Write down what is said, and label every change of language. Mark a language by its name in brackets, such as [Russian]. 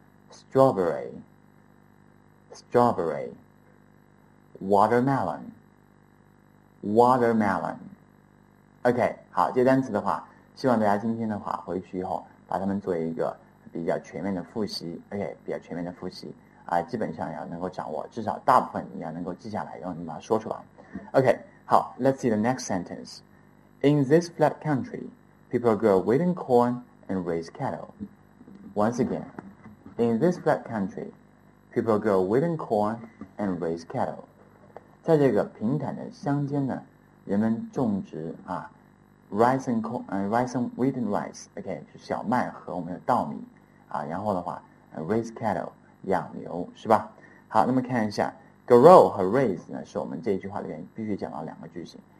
[English] strawberry, strawberry, watermelon, watermelon. [Chinese] OK，好，这些单词的话，希望大家今天的话回去以后，把它们做一个比较全面的复习。 OK，比较全面的复习啊，基本上要能够掌握，至少大部分你要能够记下来，然后你把它说出来。 [English] OK，好，Let's see the next sentence. In this flat country, people grow wheat and corn and raise cattle. Once again, in this flat country, people grow wheat and corn and raise cattle. [Chinese] 在这个平坦的乡间呢，人们种植啊。 [English] Rice and corn, rice and wheat and rice, OK, [Chinese] 就小麦和我们的稻米，啊，然后的话， [English] raise cattle, [Chinese] 养牛，是吧？好，那么看一下，grow 和 raise 呢，是我们这一句话里面必须讲到两个句型。